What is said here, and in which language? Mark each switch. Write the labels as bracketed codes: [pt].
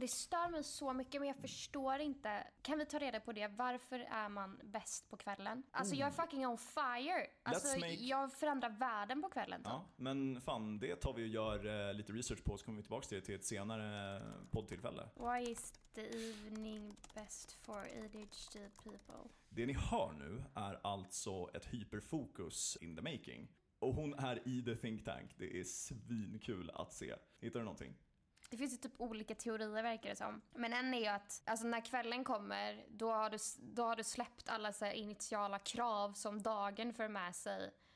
[sv] Det stör mig så mycket, men jag förstår inte. Kan vi ta reda på det? Varför är man bäst på kvällen? Alltså jag är [en] fucking on fire. [sv] Alltså jag förändrar världen på kvällen. Ja, men fan, det tar vi och gör lite research på, så kommer vi tillbaka till det till ett senare poddtillfälle. [en] Why is the evening best for ADHD people? [sv] Det ni hör nu är alltså ett hyperfokus [en] in the making. [sv] Och hon är i The Think Tank. Det är svinkul att se. Hittar du någonting? Det finns ju typ olika teorier, verkar det som. Men en är ju att alltså, när kvällen kommer, då har du släppt alla så här initiala krav som dagen för med sig.